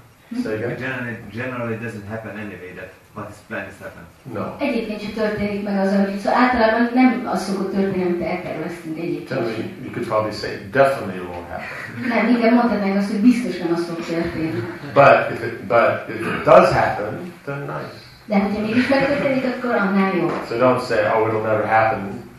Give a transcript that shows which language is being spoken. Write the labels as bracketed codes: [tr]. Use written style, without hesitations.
[en] Generally it doesn't happen anyway, that what is planned is happening. No. [hu] Egyébként sem történik meg az, amit szó. Általában nem az szokott történni, amit elterveztünk egyébként. [en] Tell me, you could probably say, definitely it won't happen. [hu] Nem, igen, mondhatnánk azt, hogy biztosan az fog történni. [en] But if it does happen, then nice. [hu] De hogyha mégis megtörténik, akkor annál jó. [en] So don't say, oh, it'll never happen.